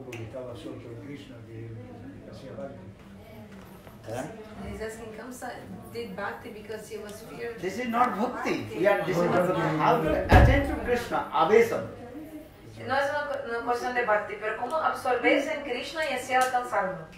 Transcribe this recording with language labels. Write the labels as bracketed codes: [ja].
[pt] Porque estava absorto em Krishna, que fazia Bhakti. [en] He's asking, cansa, did Bhakti because he was feared? This is not Bhakti. We are discussing how to attend to Krishna, avesam. [pt] Não é uma questão de Bhakti, mas como absorver-se em Krishna e assim alcançá-lo.